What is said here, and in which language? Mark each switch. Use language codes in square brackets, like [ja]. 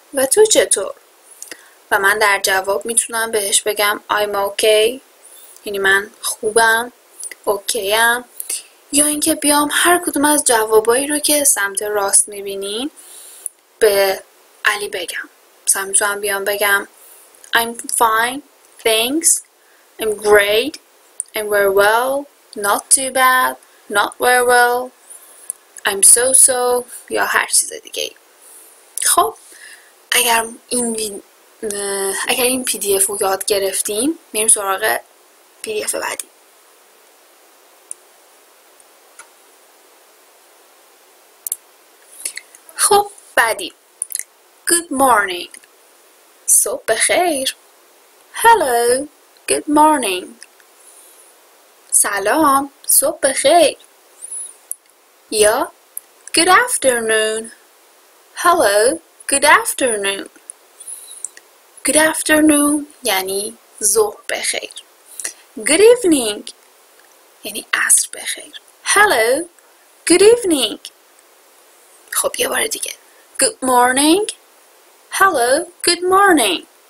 [fa] و تو چطور؟ و من در جواب میتونم بهش بگم [en] I'm okay. [fa] یعنی من خوبم، اوکیم. یا اینکه بیام هر کدوم از جوابایی رو که سمت راست میبینین به علی بگم. مثلا میتونم بیام بگم [en] I'm fine, thanks, I'm great, I'm very well, not too bad, not very well, I'm so-so [fa] یا هر چیز دیگه. خب اگر این پی دی اف رو یاد گرفتیم میریم سراغ پی دی اف بعدی. خب بعدی [en] Good morning. [fa] صبح بخیر. [en] Hello. Good morning. [fa] سلام. صبح بخیر. [en] یا Good afternoon. Hello. Good afternoon. Good afternoon [fa] یعنی ظهر بخیر. [en] Good evening [fa] یعنی عصر بخیر. [en] Hello. Good evening. [fa] خب یه بار دیگه. [en] Good morning. Hello. Good morning.